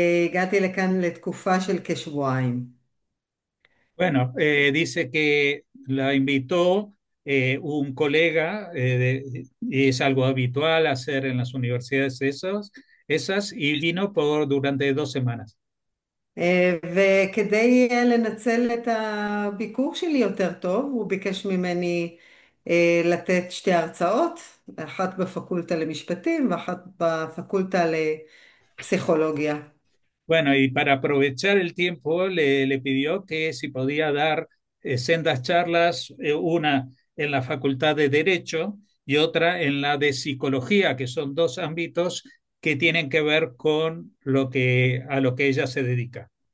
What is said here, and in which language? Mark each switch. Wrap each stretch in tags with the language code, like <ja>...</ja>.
<he>הגעתי לכאן לתקופה של כשבועיים.</he> <es>Bueno, dice que la invitó un colega, es algo habitual hacer en las universidades esas, y vino por durante 2 semanas.</es> <he>וכדי לנצל את הביקור שלי יותר טוב, הוא ביקש ממני לתת שתי הרצאות, אחת בפקולטה למשפטים ואחת בפקולטה לפסיכולוגיה.</he> <es>Bueno, y para aprovechar el tiempo, le pidió que si podía dar sendas charlas, una en la Facultad de Derecho y otra en la de Psicología, que son dos ámbitos que tienen que ver con lo que ella se dedica.</es>